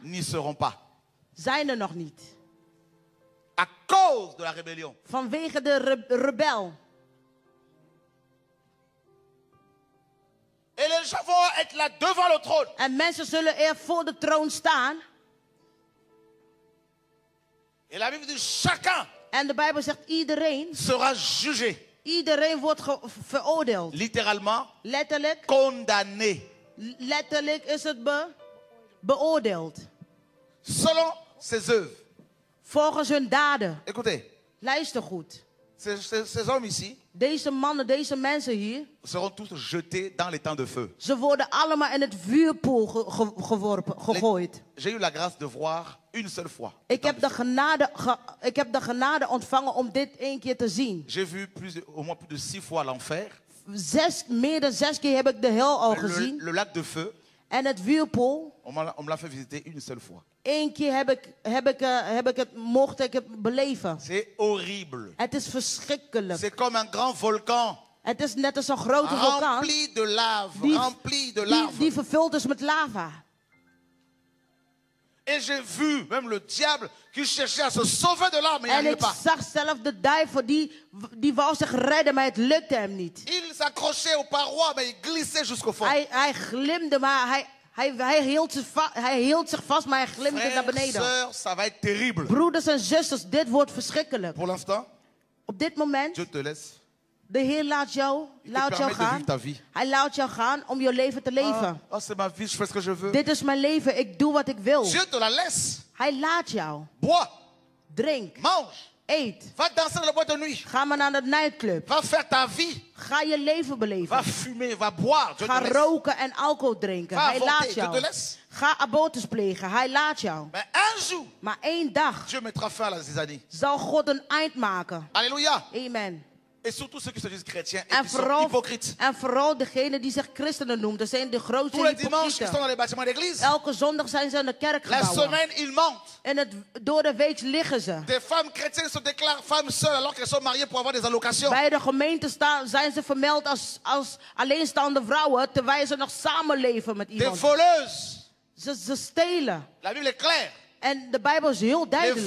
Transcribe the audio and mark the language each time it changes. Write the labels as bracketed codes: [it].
[fr] N'y seront pas. [nl] Zijn er nog niet. [fr] À cause de la rébellion. [nl] Vanwege de rebel. [fr] Et les gens vont être là devant le trône. [nl] En mensen zullen er voor de troon staan. [fr] Et la Bible dit chacun. [nl] En de Bijbel zegt iedereen. [fr] Sera jugé. [nl] Iedereen wordt veroordeeld. [fr] Littéralement. [nl] Letterlijk. [fr] Condamné. [nl] Letterlijk is het beoordeeld. [fr] Selon ses œuvres. [nl] Volgens hun daden. [fr] Écoutez. [nl] Luister goed. [fr] Ces hommes ici. [nl] Deze mannen, deze mensen hier. [fr] Seront tous jetés dans les temps de feu. [nl] Ze worden allemaal in het vuurpoel gegooid. [fr] J'ai eu la grâce de voir une seule fois. [nl] Ik heb de genade ontvangen om dit één keer te zien. [fr] J'ai vu au moins plus de 6 fois l'enfer. [nl] Meer dan 6 keer heb ik de hel al gezien. [fr] Le lac de feu. [nl] En het vuurpoel. [fr] On me l'a fait visiter une seule fois. [nl] Eén keer heb ik het beleven. [fr] C'est horrible. [nl] Het is verschrikkelijk. [fr] C'est comme un grand volcan. [nl] Het is net als een grote vulkaan. [fr] Rempli de lave. Rempli de lave. [nl] Die vervuld is met lava. [fr] Et j'ai vu même le diable qui cherchait à se sauver de là, mais [nl] en ik zag zelf de duivel die wou zich redden, maar het lukte hem niet. [fr] Il s'accrochait aux parois, mais il glissait jusqu'au fond. [nl] Hij glimde, maar hij hield zich vast, maar hij glimde [fr] Frères, [nl] naar beneden. [fr] Soeurs, ça va être terrible. [nl] Broeders en zusters, dit wordt verschrikkelijk. [fr] Pour l'instant, [nl] op dit moment, [fr] Dieu te laisse. [nl] De Heer laat jou gaan. Hij laat jou gaan om je leven te leven. [fr] Oh, c'est ma vie, je fais ce que je veux. [nl] Dit is mijn leven, ik doe wat ik wil. [fr] Dieu te la laisse. [nl] Hij laat jou. [fr] Bois. [nl] Drink. [fr] Mange. [nl] Eet. [fr] Va danser dans la boîte de nuit. [nl] Ga maar naar de nightclub. [fr] Va faire ta vie. [nl] Ga je leven beleven. [fr] Va fumer, va boire. Dieu [nl] ga [fr] te laisse. [nl] Roken en alcohol drinken. [fr] Va [nl] hij [fr] avorter. [nl] Laat jou. [fr] Dieu te laisse. [nl] Ga abortus plegen. Hij laat jou. [fr] Mais un jour, [nl] maar één dag. [fr] Dieu mettra fin à la zizanie. [nl] Zal God een eind maken. Alleluia. Amen. [fr] Et surtout ceux qui se disent chrétiens et qui sont hypocrites. [nl] En vooral degenen die zich christenen noemen, dat zijn de grootste hypocrieten. [fr] Tous les dimanches, ils sont dans les bâtiments d'église. [nl] Elke zondag zijn ze in de kerk gebouwen. [fr] La semaine, ils mentent. [nl] En door de week liggen ze. [fr] Des femmes chrétiennes se déclarent femmes seules alors qu'elles sont mariées pour avoir des allocations. [nl] Bij de gemeente zijn ze vermeld als alleenstaande vrouwen terwijl ze nog samenleven met iemand. [fr] Des voleuses. [nl] Ze stelen. [fr] La Bible est claire. [nl] En de Bijbel is heel duidelijk.